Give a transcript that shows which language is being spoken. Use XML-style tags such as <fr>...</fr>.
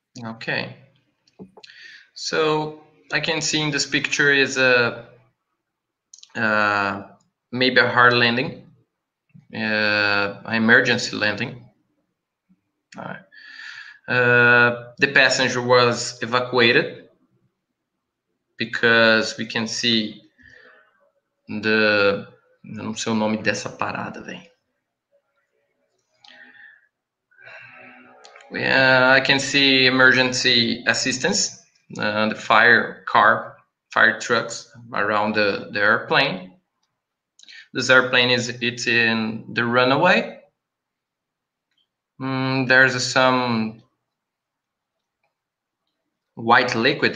<en>Okay. So, I can see in this picture is a maybe a hard landing, an emergency landing. All right. The passenger was evacuated because we can see the...</en> <pt>Eu não sei o nome dessa parada, velho.</pt> <en>I can see emergency assistance, the fire car, fire trucks around the airplane. This airplane it's in the runaway. There's some white liquid.</en>